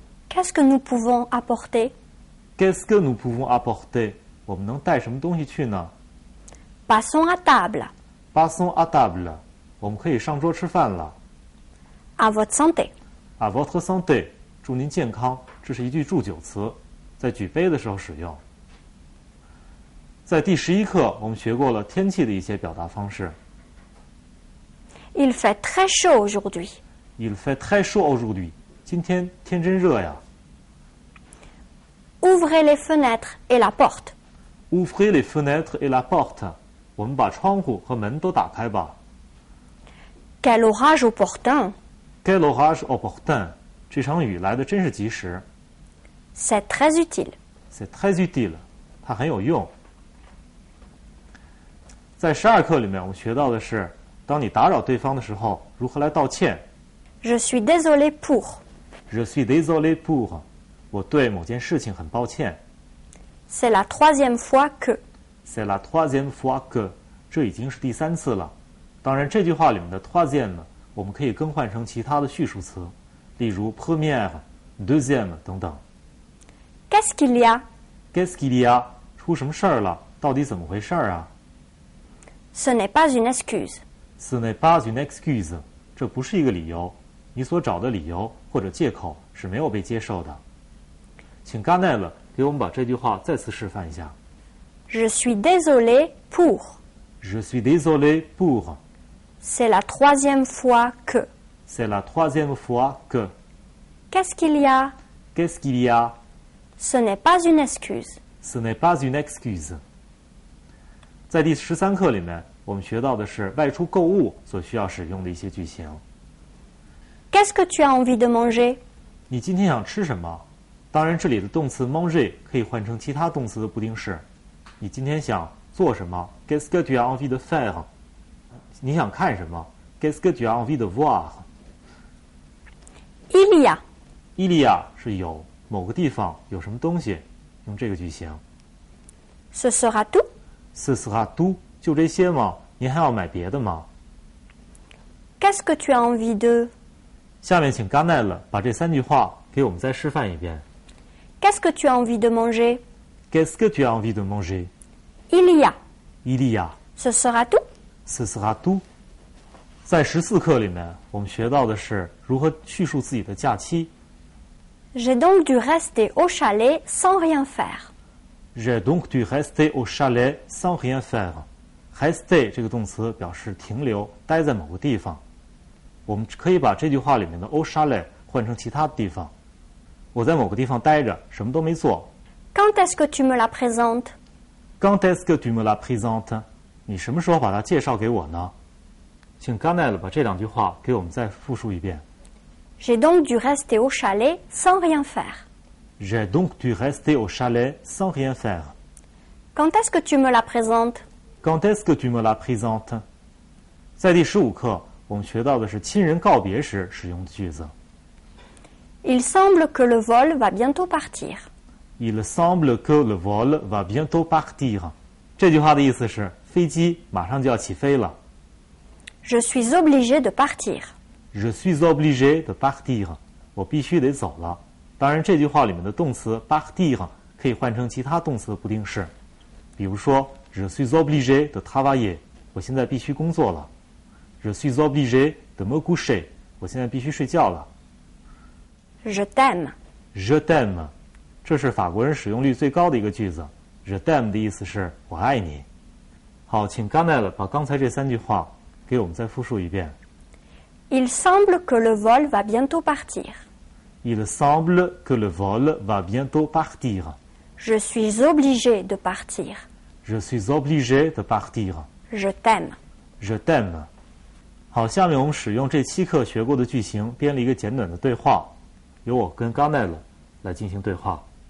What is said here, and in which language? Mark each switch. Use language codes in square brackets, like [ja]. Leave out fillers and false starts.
[fr] Qu'est-ce que nous pouvons apporter? Qu'est-ce que nous pouvons apporter? [zh] 我们能带什么东西去呢 [fr] ？Passons à table. Passons à table. [zh] 我们可以上桌吃饭了。 [fr] À votre santé. À votre santé. [zh] 祝您健康。这是一句祝酒词，在举杯的时候使用。在第十一课，我们学过了天气的一些表达方式。 [fr] Il fait très chaud aujourd'hui. Il fait très chaud aujourd'hui. [zh] 今天天真热呀。 [fr] Ouvrez les fenêtres et la porte. Ouvrez les fenêtres et la porte. [zh] 我们把窗户和门都打开吧。 [fr] Quel orage opportun. Quel orage opportun. [zh] 这场雨来得真是及时。 [fr] C'est très utile. C'est très utile. [zh] 它很有用。在十二课里面，我们学到的是，当你打扰对方的时候，如何来道歉。 [fr] Je suis désolé pour. Je suis désolé pour. [zh] 我对某件事情很抱歉。 [fr] C'est la troisième fois que. C'est la troisième fois que. [zh] 这已经是第三次了。当然，这句话里面的 troisième 我们可以更换成其他的序数词。例如 première, deuxième 等等。 [fr] Qu'est-ce qu'il y a? Qu'est-ce qu'il y a? [zh] 出什么事儿了？到底怎么回事啊 [fr] ？Ce n'est pas une excuse. Ce n'est pas une excuse. [zh] 这不是一个理由。你所找的理由或者借口是没有被接受的。请甘奈勒给我们把这句话再次示范一下。 [fr] Je suis désolé pour. Je suis désolé pour. C'est la troisième fois que. C'est la troisième fois que. Qu'est-ce qu'il y a? Qu'est-ce qu'il y a? Ce n'est pas une excuse. Ce n'est pas une excuse. [zh] 在第十三课里面，我们学到的是外出购物所需要使用的一些句型。 [fr] Qu'est-ce que tu as envie de manger? [zh] 你今天想吃什么？当然，这里的动词 manger 可以换成其他动词的不定式。你今天想做什么 [fr] ？Qu'est-ce que tu as envie de faire? [zh] 你想看什么 [fr] ？Qu'est-ce que tu as envie de voir? Il y a. [zh] Il y a 是有某个地方有什么东西，用这个句型。 [fr] Ce sera tout. Ce sera tout. [zh] 就这些吗？您还要买别的吗 [fr] ？Qu'est-ce que tu as envie de？ [zh] 下面请甘奈勒把这三句话给我们再示范一遍。 [fr] Qu'est-ce que tu as envie de manger？ Qu'est-ce que tu as envie de manger？ Il y a. Il y a. Ce sera tout. Ce sera tout. [zh] 在十四课里面，我们学到的是如何叙述自己的假期。 [fr] J'ai donc dû rester au chalet sans rien faire. J'ai donc dû rester au chalet sans rien faire. [zh] Rester 这个动词表示停留，待在某个地方。我们可以把这句话里面的 au chalet 换成其他的地方。我在某个地方待着，什么都没做。 [fr] Quand est-ce que tu me la présentes? Quand est-ce que tu me la présentes? [zh] 你什么时候把它介绍给我呢？请甘奈勒把这两句话给我们再复述一遍。 [fr] J'ai donc dû rester au chalet sans rien faire. J'ai donc dû rester au chalet sans rien faire. Quand est-ce que tu me la présentes? Quand est-ce que tu me la présentes? [zh] 在第十五课，我们学到的是亲人告别时使用的句子。 [fr] Il semble que le vol va bientôt partir. Il semble que le vol va bientôt partir. [zh] 这句话的意思是飞机马上就要起飞了。 [fr] Je suis obligé de partir. Je suis obligé de partir. [zh] 我必须得走了。当然，这句话里面的动词 partir 可以换成其他动词的不定式，比如说 [fr] Je suis obligé de travailler. [zh] 我现在必须工作了。 [fr] Je suis obligé de me coucher. [zh] 我现在必须睡觉了。 [fr] Je t'aime. Je t'aime. [zh] 这是法国人使用率最高的一个句子。 [fr] Je t'aime [zh] 的意思是我爱你。好，请 Gamelle 把刚才这三句话给我们再复述一遍。 [fr] Il semble que le vol va bientôt partir. Il semble que le vol va bientôt partir. Je suis obligé de partir. Je suis obligé de partir. Je t'aime. Je t'aime. [zh] 好，下面我们使用这七课学过的句型编了一个简短的对话，由我跟 Gamelle 来进行对话。